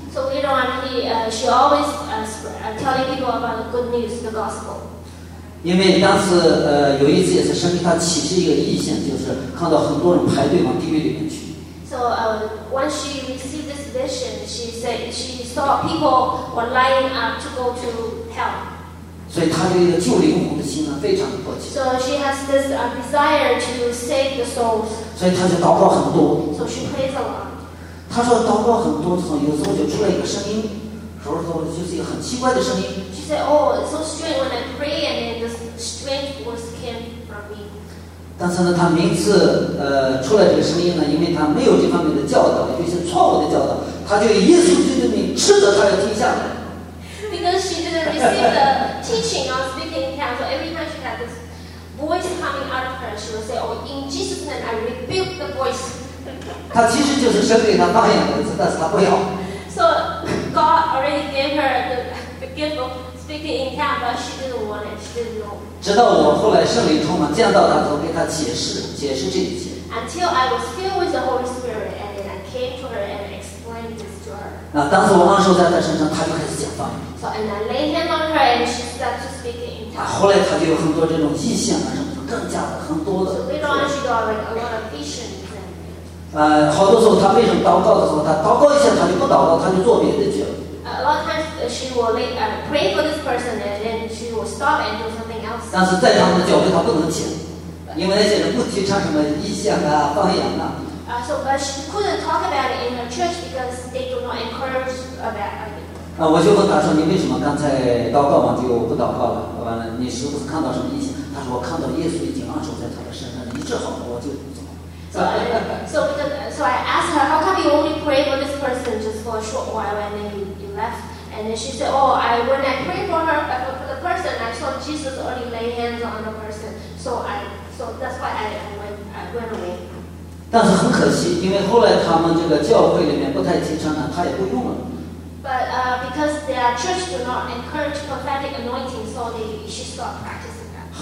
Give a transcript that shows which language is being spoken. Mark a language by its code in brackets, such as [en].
[en] So later on, she always telling people about the good news, the gospel. [zh] 因为当时有一次也是神给他启示一个异象，就是看到很多人排队往地狱里面去。 [en] So when she received this vision, she said she saw people were lining up to go to hell. [zh] 所以他的一个救灵魂的心呢，非常的迫切。 [en] So she has this desire to save the souls. [zh] 所以他就祷告很多。 [en] So she prays a lot. [zh] 他说祷告很多次，有时候就出来一个声音，有时候就是一个很奇怪的声音。 [en] She said, "Oh, it's so strange when I pray, and then this strange voice came from me." [zh] 但是呢，他每次出来这个声音呢，因为他没有这方面的教导，就是错误的教导，他就以耶稣基督的名斥责他要停下来。 [en] Because she didn't receive the teaching of speaking in tongues, so every time she had this voice coming out of her, she would say, "Oh, in Jesus' name, I rebuke the voice." [zh] 他其实就是神给他放眼的词，但是他不要。 [en] So God already gave her the gift of speaking in tongues, but she didn't want it. She didn't know. [zh] 直到我后来圣灵充满见到他，给他解释解释这一切。 [en] Until I was filled with the Holy Spirit, and then I came to her and explained this to her. [zh] 那当时我按手在他身上，他就开始讲方言。 [en] So and I laid hand on her, and she started to speak in tongues. [zh] 后来他就有很多这种异象啊什么，更加的很多的。 [en] So later on, she got like a lot of visions. [zh] 好多时候他为什么祷告的时候，他祷告一下他就不祷告，他就做别的去了。 [en] A lot of times she will pray for this person and then she will stop and do something else. [zh] 但是在他们的教会他不能请，因为那些人不提倡什么异象啊、方言啊。 [en] So but she couldn't talk about it in her church because they do not encourage about it. [zh] 我就问他说：“你为什么刚才祷告完就不祷告了？完了，你是不是看到什么异象？” 他说：“我看到耶稣已经按手在他的身上，医治好了，我就。” [en] So I asked her, how come you only pray for this person just for a short while and then you left? And then she said, oh, when I pray for the person, I saw Jesus already lay hands on the person. So that's why I went away. [zh] 但是很可惜，因为后来他们这个教会里面不太提倡了，他也不用了。 [en] But because their church do not encourage prophetic anointing, so she stopped practicing that.